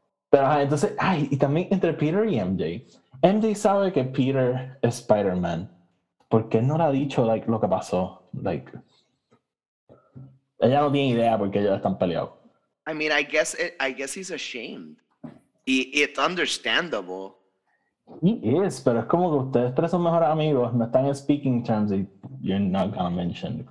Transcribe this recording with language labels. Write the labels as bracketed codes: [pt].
[es] Pero entonces, y también entre Peter y MJ. MJ sabe que Peter es Spider-Man. ¿Por qué no le ha dicho lo que pasó? Ella no tiene idea porque ellos están peleados. [en] I mean, I guess he's ashamed. Y it's understandable. He is, [es] pero es como que ustedes tres son mejores amigos. No están en [en] speaking terms [es] y [en] you're not gonna mention.